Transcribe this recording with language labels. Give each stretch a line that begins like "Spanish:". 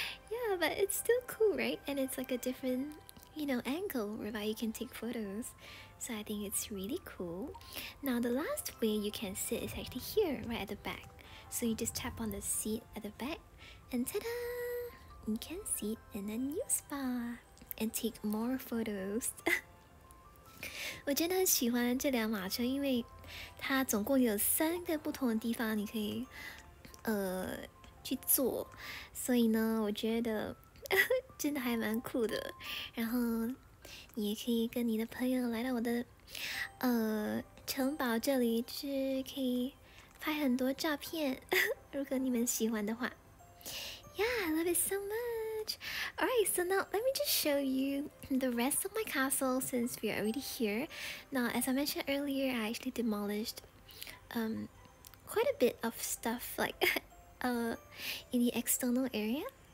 English: Yeah, but it's still cool, right? And it's like a different, you know, angle whereby you can take photos. So I think it's really cool. Now the last way you can sit is actually here, right at the back. So you just tap on the seat at the back and ta-da! You can sit in a new spot and take more photos.
Chinese: 我真的很喜欢这辆马车，因为它总共有三个不同的地方你可以去坐，所以呢我觉得真的还蛮酷的。然后你也可以跟你的朋友来到我的城堡这里，就是可以拍很多照片，如果你们喜欢的话。
English: Yeah, I love it so much. Alright, so now let me just show you the rest of my castle since we are already here. Now, as I mentioned earlier, I actually demolished quite a bit of stuff like in the external area.